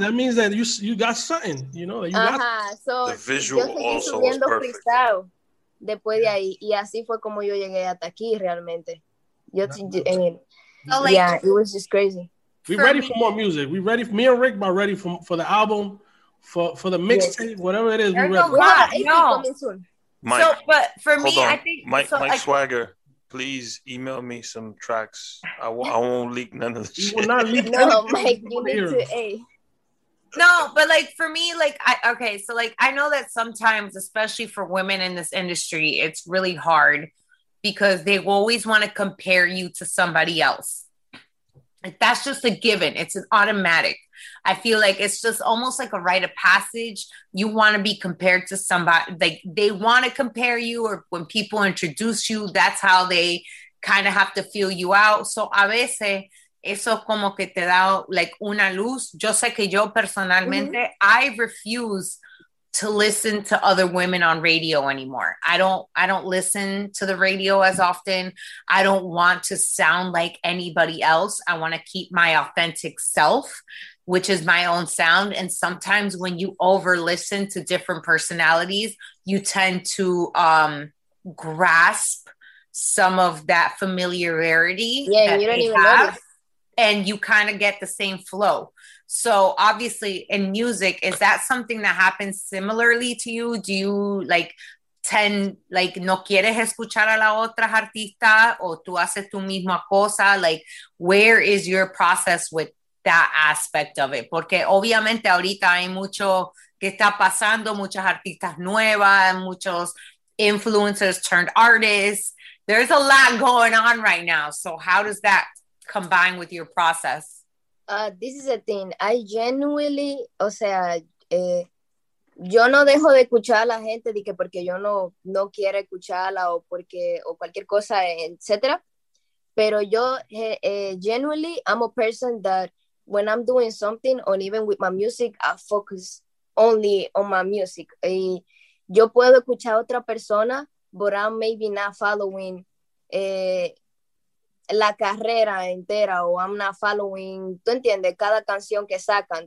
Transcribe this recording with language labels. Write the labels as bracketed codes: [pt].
[en] That means that you got something, you know? That you got so the visual also was perfect. [es] Después de ahí, y así fue como yo llegué hasta aquí realmente. [en] It was just crazy. We're ready for more music. We're ready. Me and Rick are ready for the album, for the mixtape, yes. Whatever it is. There's we're ready. A lot, y'all. Mike, so, but for me, on. I think Mike Swagger, please email me some tracks. I won't leak none of the shit. You will not leak no, anything. Mike. You need here. To a. No, but like for me, like I know that sometimes, especially for women in this industry, it's really hard because they always want to compare you to somebody else. That's just a given. It's an automatic. I feel like it's just almost like a rite of passage. You want to be compared to somebody, like they want to compare you, or when people introduce you, that's how they kind of have to feel you out. [es] So a veces eso como que te da like una luz. Yo sé que yo personalmente, [en] I refuse to listen to other women on radio anymore. I don't listen to the radio as often. I don't want to sound like anybody else. I want to keep my authentic self, which is my own sound. And sometimes when you over listen to different personalities, you tend to grasp some of that familiarity. Yeah, that you don't even have, notice. And you kind of get the same flow. So obviously in music, is that something that happens similarly to you? Do you like tend, like, [es] no quieres escuchar a la otra artista, o tú haces tu misma cosa? [en] Like, where is your process with that aspect of it? [es] Porque obviamente ahorita hay mucho que está pasando, muchas artistas nuevas, muchos [en] influencers turned artists. There's a lot going on right now. So how does that combine with your process? This is the thing. I genuinely, [es] o sea, yo no dejo de escuchar a la gente de que porque yo no quiero escucharla o porque o cualquier cosa, etcétera. Pero yo [en] genuinely, I'm a person that when I'm doing something or even with my music, I focus only on my music. [es] Y yo puedo escuchar a otra persona, [en] but I'm maybe not following [es] la carrera entera, o [en] I'm not following, [es] tú entiendes, cada canción que sacan.